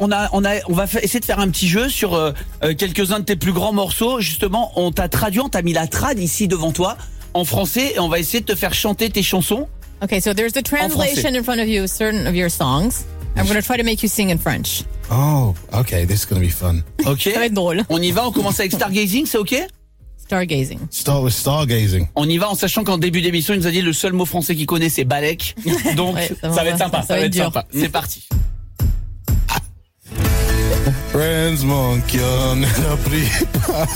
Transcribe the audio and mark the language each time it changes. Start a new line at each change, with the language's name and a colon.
French: On va essayer de faire un petit jeu sur quelques-uns de tes plus grands morceaux. Justement, on t'a traduit, on t'a mis la trad ici devant toi en français et on va essayer de te faire chanter tes chansons.
English: Okay, so there's the translation in front of you, certain of your songs. I'm going to try to make you sing in French. Oh, okay, this is going to be fun. Okay.
French: Ça va être drôle. On y va, on commence avec Stargazing, c'est okay?
English: Stargazing. Start with Stargazing.
French: On y va en sachant qu'en début d'émission, il nous a dit le seul mot français qu'il connaît, c'est Balek. Donc, ouais, ça va être sympa. C'est parti. Friends, mon cœur ne l'a pris pas.